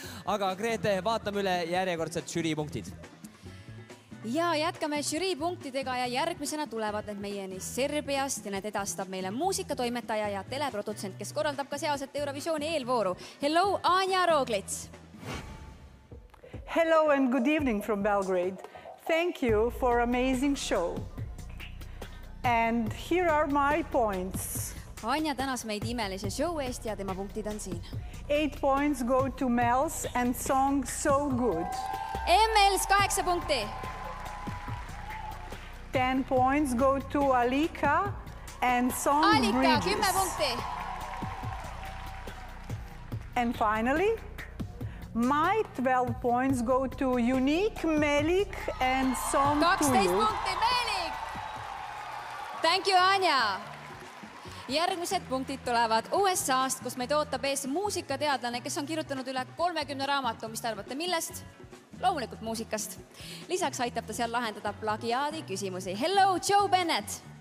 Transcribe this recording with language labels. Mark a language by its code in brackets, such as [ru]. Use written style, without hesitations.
[et] Aga Grete, vaatame üle järjekordsed žüripunktid. Ja jätkame žüripunktidega ja järgmisena tulevad need meieni Serbiast ja need edastab meile muusikatoimetaja ja teleprodutsent, kes korraldab ka sealset Eurovisiooni eelvooru. [en] Hello, Anja Roglic! Hello and good evening from Belgrade. Thank you for amazing show. And here are my points. [et] Anja tänas meid imelise show eest ja tema punktid on siin. [en] 8 points go to Mels and song so good. [et] Mels 8 punkti. [en] 10 points go to Alika and song Alika, Bridges. [et] Alika, 10 punkti. [en] And finally, my 12 points go to Unique, Meelik and song [et] 12 punkti, Meelik. [en] Thank you, Anja. [et] Järgmised punktid tulevad USA-st, kus meid ootab ees muusikateadlane, kes on kirjutanud üle 30 raamatu, mis te arvate millest? Loomulikult muusikast. Lisaks aitab ta seal lahendada plagiaadi küsimusi. [en] Hello, Joe Bennett!